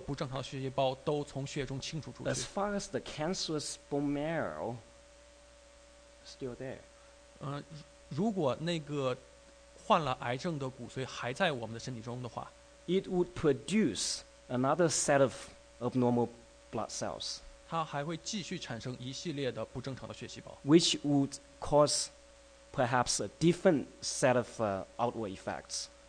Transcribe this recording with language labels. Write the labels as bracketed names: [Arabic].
[Chinese] 即便是我们把每一个不正常的血细胞都从血液中清除出去。 [English] As far as the cancerous bone marrow, still there. [Chinese] 如果那个患了癌症的骨髓还在我们的身体中的话, [English] it would produce another set of abnormal blood cells. [Chinese] 它还会继续产生一系列的不正常的血细胞。 [English] Which would cause perhaps a different set of outward effects.